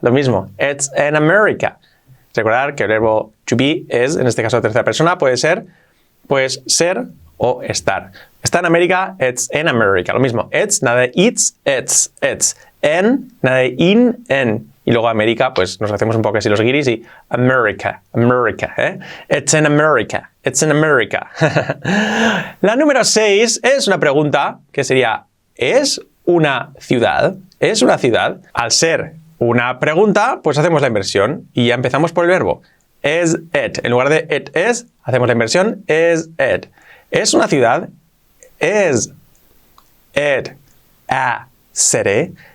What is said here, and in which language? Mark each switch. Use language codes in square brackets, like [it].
[es] Lo mismo, [en] it's in America. [es] Recordar que el verbo to be es, en este caso, tercera persona, puede ser, pues ser o estar. Está en América, [en] it's in America. [es] Lo mismo, it's, nada de it's, en, nada de in, en. Y luego América, pues nos hacemos un poco así los guiris y America, ¿eh? [en] It's in America, it's in America. [es] La número 6 es una pregunta que sería, ¿es una ciudad? ¿Es una ciudad? Al ser una pregunta, pues hacemos la inversión y ya empezamos por el verbo. Is it. En lugar de it is, hacemos la inversión, is it. ¿Es una ciudad? [en] Is it a city?